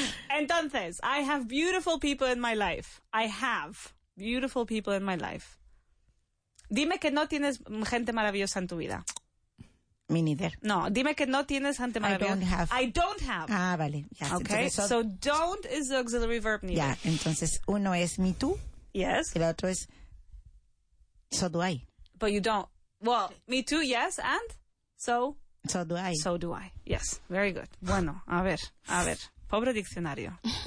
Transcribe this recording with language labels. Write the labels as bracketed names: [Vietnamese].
[Spanish] Entonces, [English] I have beautiful people in my life. I have beautiful people in my life. [Spanish] Dime que no tienes gente maravillosa en tu vida. [English] Me neither. [Spanish] No, dime que no tienes gente maravillosa. [English] I don't have. I don't have. [Spanish] Ah, vale. [English] Yes. Okay, [Spanish] entonces, [English] so don't is the auxiliary verb neither. [Spanish] Yeah, entonces uno es [English] me too. Yes. [Spanish] Y el otro es [English] so do I. But you don't. Well, me too, yes, and so... So do I. So do I. Yes. Very good. [Spanish] Bueno, a ver, a ver. Pobre diccionario.